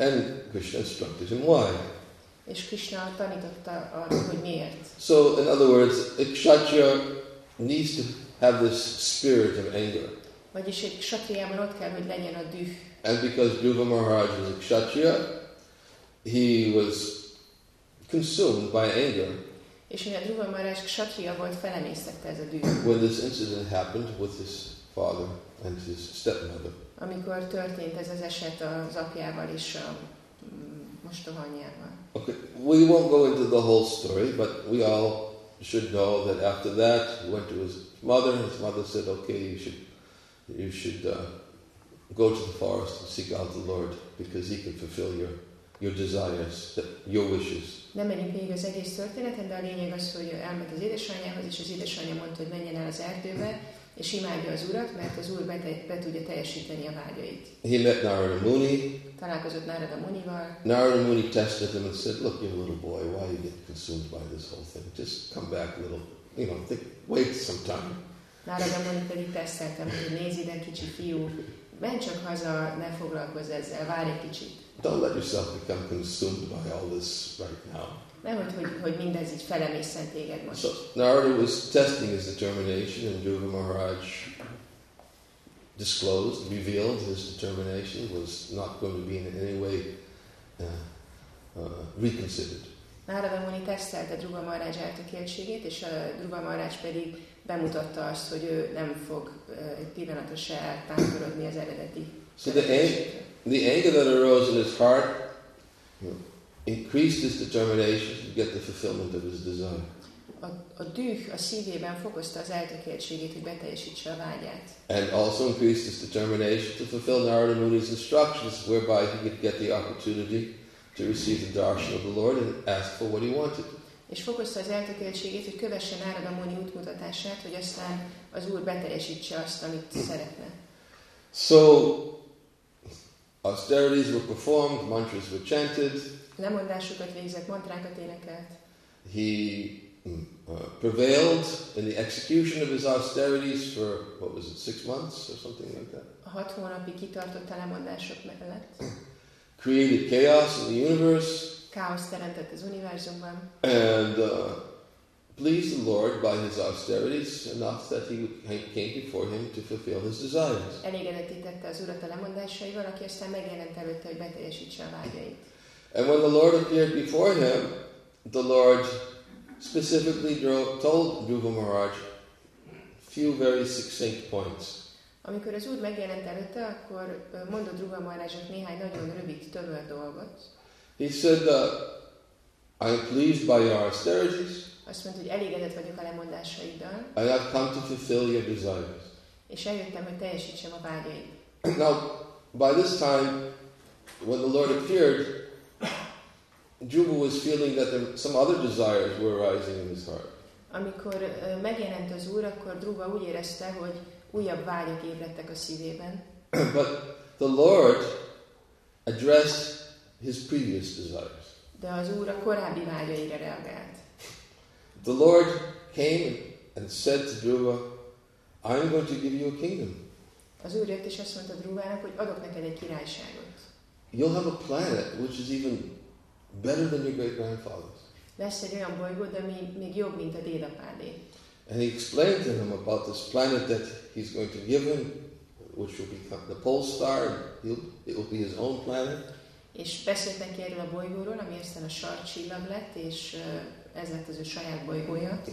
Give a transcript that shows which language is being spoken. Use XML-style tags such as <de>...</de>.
<en>And Krishna instructed him why.</en> <hu>És Krishna tanította arra, hogy miért.</hu> <en>So, in other words, a kshatriya needs to have this spirit of anger.</en> <hu>Vagyis egy kshatriában ott kell, hogy legyen a düh.</hu> <en>And because Dhruva Maharaj was a kshatriya, he was consumed by anger.</en> <hu>És mivel Dhruva Maharaj kshatriya volt, felemésztette ez a düh.</hu> <en>When this incident happened with his father and his stepmother.</en> <hu>Amikor történt ez az eset az apjával és a mostohanyjával.</hu> <en>Okay, we won't go into the whole story, but we all should know that after that he went to his mother said, okay, you should go to the forest and seek out the Lord because he can fulfill your desires, your wishes.</en> <hu>Nem menjünk még az egész történeten, de a lényeg az, hogy elment az édesanyjához, és az édesanyja mondta, hogy menjen el az erdőbe, és imádja az Urat, mert az Úr be tudja teljesíteni a vágyait.</hu> <en>He met Narada Muni.</en> <hu>Találkozott Narada Munival.</hu> <en>Narada Muni tested him and said, look, you little boy, why you get consumed by this whole thing? Just come back a little, wait some time.</en> <hu>Narada Muni pedig tesztelte, hogy nézi, de kicsi fiú, menj csak haza, ne foglalkozz ezzel, várj egy kicsit.</hu> <en>Don't let yourself become consumed by all this right now.</en> <hu>Nehogy, hogy mindez így felemészen téged most.</hu> <en>So Narada was testing his determination and Dhruva Maharaj disclosed, revealed his determination was not going to be in any way reconsidered.</en> <hu>Narada Muni tesztelte Dhruva Maharaj eltökéltségét, és Dhruva Maharaj pedig bemutatta azt, hogy ő nem fog egy pillanatra se eltántorodni az eredeti.</hu> <en>So the anger that arose in his heart increased his determination to get the fulfillment of his desire.</en> <hu>A düh a szívében fokozta az eltökéltségét, hogy beteljesítse a vágyát.</hu> <en>And also increased his determination to fulfill Narada Muni's instructions, whereby he could get the opportunity to receive the darshan of the Lord and ask for what he wanted.</en> <hu>És fokozta az eltökéltségét, hogy kövesse Narada Muni útmutatását, hogy aztán az Úr beteljesítse azt, amit szeretne.</hu> <en>So, austerities were performed, mantras were chanted.</en> <hu>Lemondásokat végzett, mantrákat énekelt.</hu> <en>He prevailed in the execution of his austerities for, what was it, 6 months or something like that?</en> <hu>A 6 hónapig kitartott a lemondások mellett.</hu> <en>Created chaos in the universe.</en> <hu>Káosz teremtett az univerzumban.</hu> <en>And pleased the Lord by his austerities enough that he came before him to fulfill his desires.</en> <hu>Elégedetítette az Urat a lemondásaival, aki aztán megjelent előtte, hogy beteljesítse a vágyait.</hu> <en>And when the Lord appeared before him, the Lord specifically told Dhruva Maharaj a few very succinct points.</en> <hu>Amikor az Úr megjelent előtte, akkor mondott Dhruva Maharajnak néhány nagyon rövid, tömör dolgot.</hu> <en>He said, I am pleased by your austerities.</en> <hu>Azt mondta, hogy elégedett vagyok a lemondásaiddal.</hu> <en>I have come to fulfill your desires.</en> <hu>És eljöttem, hogy teljesítsem a vágyaid.</hu> <en>Now, by this time, when the Lord appeared, Dhruva was feeling that some other desires were arising in his heart.</en> <hu>Amikor megjelent az Úr, akkor Dhruva úgy érezte, hogy újabb vágyak ébredtek a szívében.</hu> <en>But the Lord addressed his previous desires.</en> <hu>De az Úr a korábbi vágyaira reagált.</hu> <en>The Lord came and said to Dhruva, I'm going to give you a kingdom.</en> <hu>Az Úr jött és azt mondta Dhruvának, hogy adok neked egy királyságot.</hu> <en>You'll have a planet which is even better than your great-grandfather's.</en> <hu>Lesz egy olyan bolygó, de még jobb, mint a dédapádé.</hu> <en>And he explained to him about this planet that he's going to give him, which will become the pole star, it will be his own planet.</en> <hu>És beszélt neki erről a bolygóról, ami aztán a sarcsillag lett, és ez lett az ő saját bolygója.</hu>